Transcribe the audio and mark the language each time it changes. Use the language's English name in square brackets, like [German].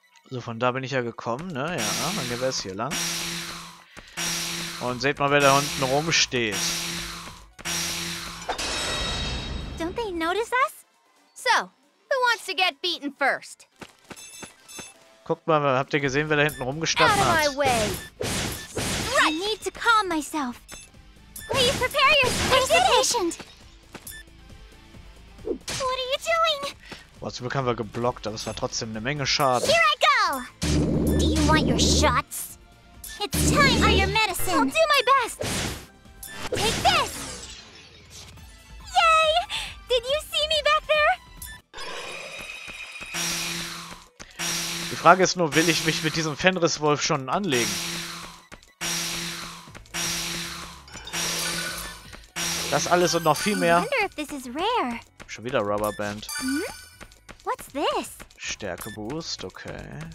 [German] So, von da bin ich ja gekommen, ne? Ja, dann gehen wir jetzt hier lang. Und seht mal, wer da unten rumsteht. [English] Don't they notice us? So, who wants to get beaten first? [German] Guckt mal, habt ihr gesehen, wer da hinten rumgestanden [English] hat? Out of my way. I need to calm myself. Please prepare yourself. I'm patient. What are you doing? [German] Boah, zum Glück haben wir geblockt, aber es war trotzdem eine Menge Schaden. [English] Here I go. Do you want your shots? It's time for your medicine. I'll do my best. Take this. Yay! Did you see me back there? [German] Die Frage ist nur, will ich mich mit diesem Fenriswolf schon anlegen? Das alles und noch viel mehr. [English] I wonder if this is rare. [German] Schon wieder Rubberband. [English] What's this? [German] Stärkeboost, okay.